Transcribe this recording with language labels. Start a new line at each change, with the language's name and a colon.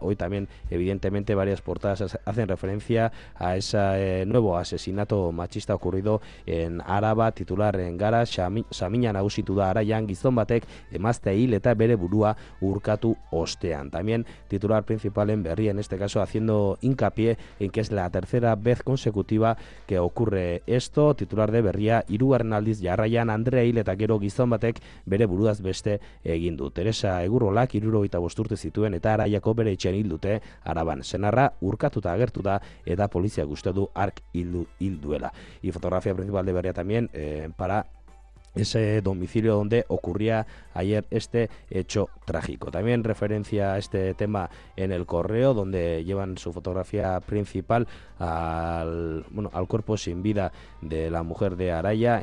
Spanish: Hoy también, evidentemente, varias portadas hacen referencia a ese nuevo asesinato machista ocurrido en Araba, titular en Gara,
Basque: Samina nagusitu da Araian, gizon batek emaztea hil eta bere burua urkatu ostean.
Spanish: También titular principal en Berri, en este caso haciendo hincapié en que es la tercera vez consecutiva que ocurre esto.
Basque: Titular de Berria, hirugarren aldiz jarraian Andrea hil eta gero gizon batek bere buruaz beste egin du. Teresa Egurrolak 65 urte zituen eta Araiako bere etxean hil dute Araban. Senarra urkatuta agertu da eta polizia uste du hark hil duela.
Spanish: Y fotografía principal de Berria también para ese domicilio donde ocurría ayer este hecho trágico. También referencia a este tema en el Correo, donde llevan su fotografía principal al cuerpo sin vida de la mujer de Araya.